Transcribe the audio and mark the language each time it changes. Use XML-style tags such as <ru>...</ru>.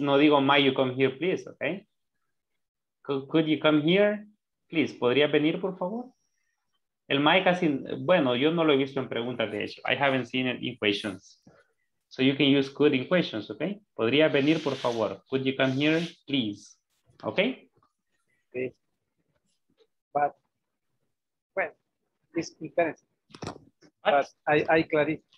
<es>No digo,</es> <en>might you come here, please, okay? Could you come here, please?</en> <es>¿Podría venir, por favor? El might casi, bueno, yo no lo he visto en preguntas, de hecho.</es> <en>I haven't seen it in questions. So you can use could in questions, okay?</en> <es>¿Podría venir, por favor?</es> <en>Could you come here, please? Okay? Okay. But, well, this conference. But I clarify.</en>